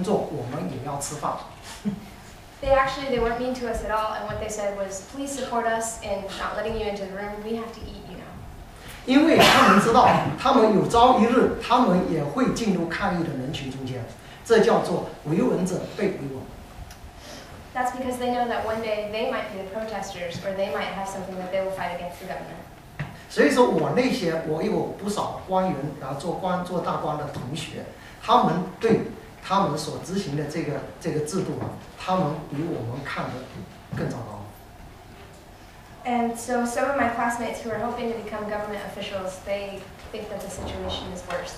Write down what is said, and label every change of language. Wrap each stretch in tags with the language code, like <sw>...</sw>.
<zh>他们并不对我们这些人太凶，他们说的更多的话就是请支持我们工作，我们也要吃饭。</zh> <en>They actually they weren't mean to us at all, and what they said was, please support us in not letting you into the room. We have to eat, you know.</en> <zh>因为他们知道，他们有朝一日他们也会进入抗议的人群中间，这叫做维稳者被维稳。</zh> <en>That's because they know that one day they might be the protesters, or they might have something that they will fight against the government.</en> <zh>所以说，我那些我有不少官员，然后做官做大官的同学，他们对他们所执行的这个制度，他们比我们看得更糟糕。</zh> <en>And so some of my classmates who are hoping to become government officials, they think that the situation is worse.</en>